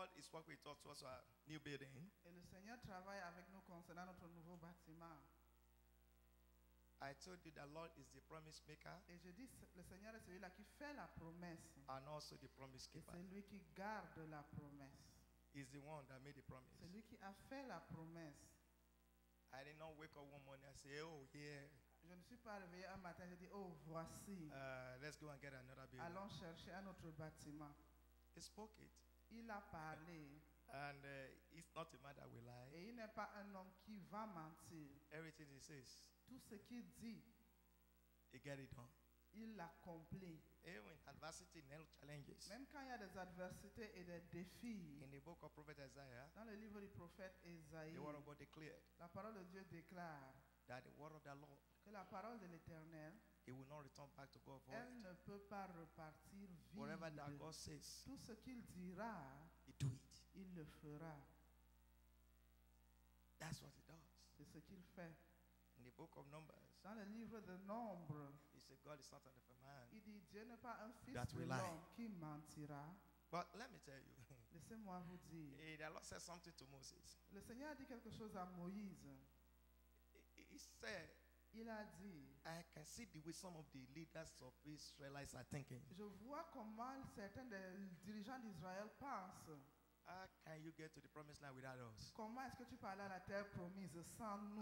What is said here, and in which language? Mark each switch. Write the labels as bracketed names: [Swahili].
[English] What we talk to us our new building. [French] Le Seigneur travaille avec nous concernant notre nouveau bâtiment. [English] I told you the Lord is the promise maker. [French] Et je dis le Seigneur est celui là qui fait la promesse. [English] And also the promise keeper. [French] C'est lui qui garde la promesse. [English] He's the one that made the promise. [French] C'est lui qui a fait la promesse. [English] I did not wake up one morning and say, oh yeah. [French] Je ne suis pas réveillé un matin, j'ai dit oh voici. [English] Let's go and get another building. [French] Allons chercher un autre bâtiment. [English] He spoke it. [French] Il a parlé. [English] And it's not a man that will lie. [French] Et il n'est pas un homme qui va mentir. [English] Everything he says. [French] Tout ce qu'il dit. [English] He get it done. [French] Il l'accomplit. [English] Even adversity and challenges. [French] Même quand il y a des adversités et des défis. [English] In the book of prophet Isaiah. [French] Dans le livre du prophète Isaïe. [English] The word of God declared. [French] La parole de Dieu déclare. [English] That the word of the Lord. [French] Que la parole de l'Éternel. [English] He will not return back to God void. [French] Elle ne peut pas repartir vide. [English] Whatever that God says, [French] tout ce qu'il dira, [English] he do it. [French] Il le fera. [English] That's what he does. [French] C'est ce qu'il fait. [English] In the book of Numbers, [French] dans le livre de Nombres, [English] he said, God is not a man. [French] Il dit, Dieu n'est pas un fils de l'homme qui mentira. [English] But let me tell you. [French] Laissez-moi vous dire. [English] The Lord said something to Moses. [French] Le Seigneur a dit quelque chose à Moïse. [English] He said. [French] Il a dit, [English] I can see the way some of the leaders of Israelites are thinking. [French] Je vois comment certains des dirigeants d'Israël pensent. [English] How can you get to the promised land without us? [French] Comment est-ce que tu parles à la terre promise sans nous?